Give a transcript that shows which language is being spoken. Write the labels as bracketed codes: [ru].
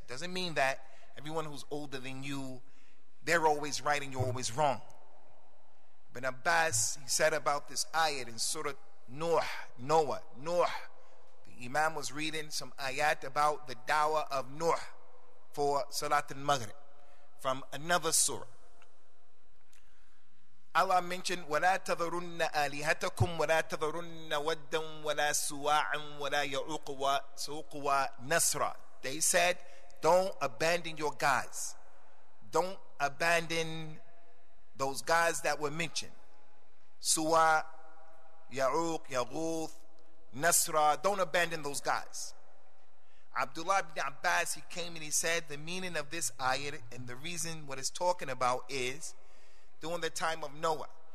[en] Doesn't mean that everyone who's older than you, they're always right and you're always wrong. Ibn Abbas, he said about this ayat in Surah Noah. The imam was reading some ayat about the dawah of Noah for Salat al-Maghrib from another surah. [ar] Allah mentioned, وَلَا تَذَرُنَّ آلِهَتَكُمْ وَلَا تَذَرُنَّ وَدًّا وَلَا سُوَاعًا وَلَا يَعُقْوَى نَصْرًا. [en] They said, don't abandon your gods. Don't abandon those gods that were mentioned. Suwa, Ya'uq, Ya'uth, Nasra. Don't abandon those gods. Abdullah ibn Abbas, he came and he said, the meaning of this ayat and the reason what it's talking about is during the time of Noah.